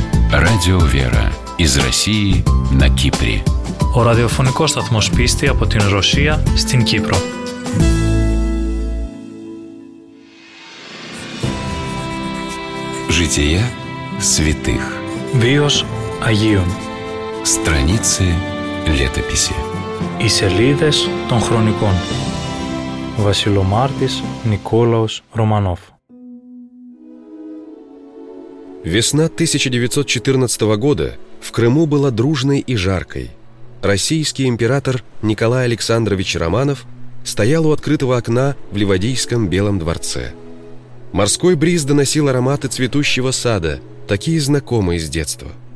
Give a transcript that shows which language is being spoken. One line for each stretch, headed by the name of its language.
Russian: Radio Vera из России на Кипре.
Greek: Ο ραδιοφωνικός σταθμός πίστη από την Ρωσία στην Κύπρο.
Russian: Жития святых.
Greek: Βίος Αγίων.
Russian: Страницы летописи.
Greek: Οι σελίδες των χρονικών. Βασιλομάρτης Νικόλαος Ρωμανόφ.
Russian: Весна 1914 года в Крыму была дружной и жаркой. Российский император Николай Александрович Романов стоял у открытого окна в Ливадийском Белом дворце. Морской бриз доносил ароматы цветущего сада, такие знакомые с детства.